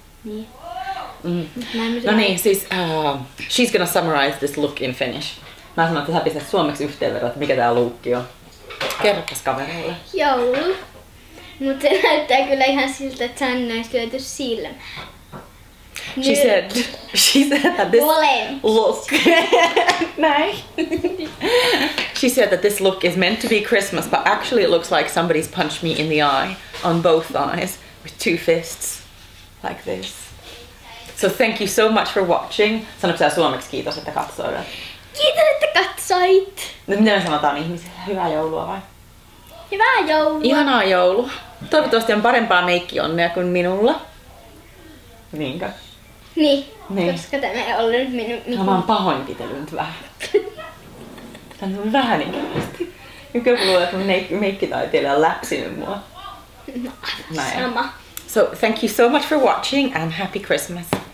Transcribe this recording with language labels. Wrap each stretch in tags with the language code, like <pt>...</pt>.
<fi>Niin.</fi> <en>Mm.</en> <fi>No niin, siis</fi> <en>she's gonna summarize this look in Finnish.</en> <fi>Mä sanon, että sä pistät suomeksi yhteenvedon, että mikä tää luukki on. Kerropas kavereille. Joulu. Mut se näyttää kyllä ihan siltä, että Sanni olisi lyöty silmä.</fi> <en>She said that this look is meant to be Christmas, but actually it looks like somebody's punched me in the eye on both eyes with two fists like this. So thank you so much for watching.</en> <fi>Sanoitko sä suomeksi kiitos, että katsoit? Kiitos, että katsoit! No miten sanotaan ihmisille? Hyvää joulua vai? Hyvää joulua! Ihanaa joulua! Toivottavasti on parempaa meikkionnea kuin minulla. Niinkö? Niin, koska tämä ei ollut nyt minun... Mä oon pahoinpitellyt vähän. Tämä on vähän ikävästi. Joku luulee, että mun meikkitaiteilija on läpsinyt mua. No, sama.</fi> <en>So, thank you so much for watching and happy Christmas.</en>